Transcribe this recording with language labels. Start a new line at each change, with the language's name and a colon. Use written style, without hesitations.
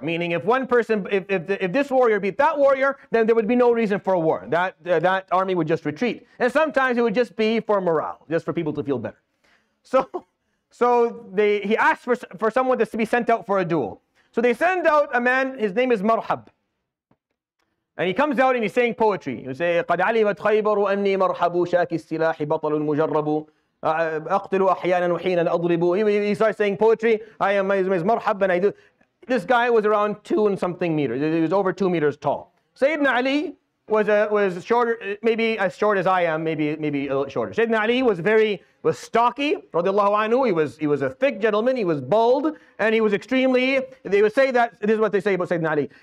English: Meaning if one person, if this warrior beat that warrior, then there would be no reason for a war. That army would just retreat. And sometimes it would just be for morale, just for people to feel better. So he asked for someone to be sent out for a duel. So they send out a man, his name is Marhab. And he comes out and he's saying poetry. He would say,
Arabic: قَدْ عَلِمَتْ خَيْبَرُ أَنِّي مَرْحَبُ شَاكِ السِّلَاحِ بَطَلُ الْمُجَرَّبُ أَقْتِلُ أَحْيَانًا وَحِينًا أَضْرِبُ.
English: He starts saying poetry. My name is Marhab and I do. This guy was around 2 and something meters. He was over 2 meters tall. Sayyidina Ali was shorter, maybe as short as I am, maybe a little shorter. Sayyidina Ali was stocky, radiallahu anhu. He was a thick gentleman, he was bald, and he was extremely, they would say that, this is what they say about Sayyidina Ali.